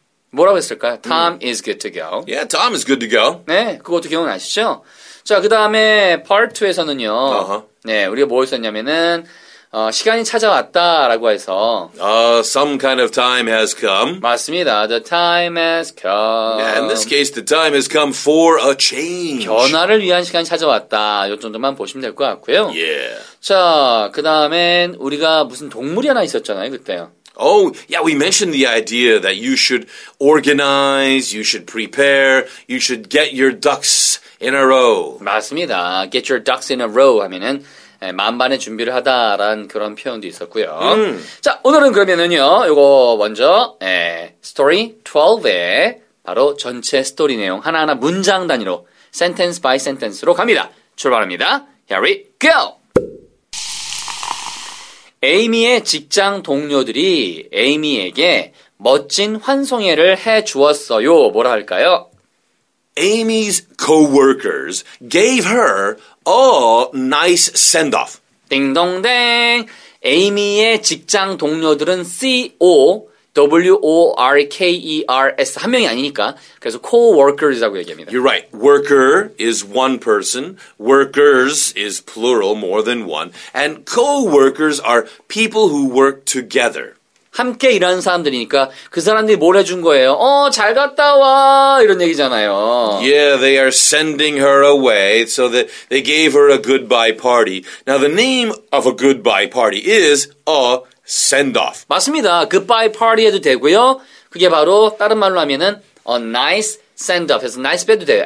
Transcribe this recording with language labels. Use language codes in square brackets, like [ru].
[ko] 뭐라고 했을까요? [en] Tom is good to go. Yeah, Tom is good to go. [ko] 네, 그것도 기억나시죠? 자, 그다음에 part 2에서는요. [en] Uh-huh. [ko] 네, 우리가 뭐 했었냐면은 시간이 찾아왔다라고 해서 [en] some kind of time has come. 맞습니다. The time has come. Yeah, in this case, the time has come for a change. [ko] 변화를 위한 시간이 찾아왔다. 요 정도만 보시면 될 것 같고요. [en] Yeah. [ko] 자, 그 다음엔 우리가 무슨 동물이 하나 있었잖아요, 그때요. [en] Oh, yeah, we mentioned the idea that you should organize, you should prepare, you should get your ducks in a row. [ko] 맞습니다. [en] Get your ducks in a row [ko] 하면은 만반의 준비를 하다라는 그런 표현도 있었고요. 자, 오늘은 그러면은요, 요거 먼저 스토리 12에 바로 전체 스토리 내용 하나하나 문장 단위로 sentence by sentence로 갑니다. 출발합니다. [en] Here we go! [ko] 에이미의 직장 동료들이 에이미에게 멋진 환송회를 해주었어요. 뭐라 할까요? [en] Amy's co-workers gave her a nice send-off. [ko] 띵동댕! 에이미의 직장 동료들은 CO, W-O-R-K-E-R-S 한 명이 아니니까 그래서 co-workers라고 얘기합니다. [en] You're right. Worker is one person. Workers is plural, more than one. And co-workers are people who work together. [ko] 함께 일하는 사람들이니까 그 사람들이 뭘 해준 거예요? 어, 잘 갔다 와! 이런 얘기잖아요. [en] Yeah, they are sending her away so that they gave her a goodbye party. Now, the name of a goodbye party is a send-off. [ko] 맞습니다. Goodbye party 해도 되고요. 그게 바로 다른 말로 하면은 [en] a nice send-off. [ko] 그래서 nice 해도 돼요.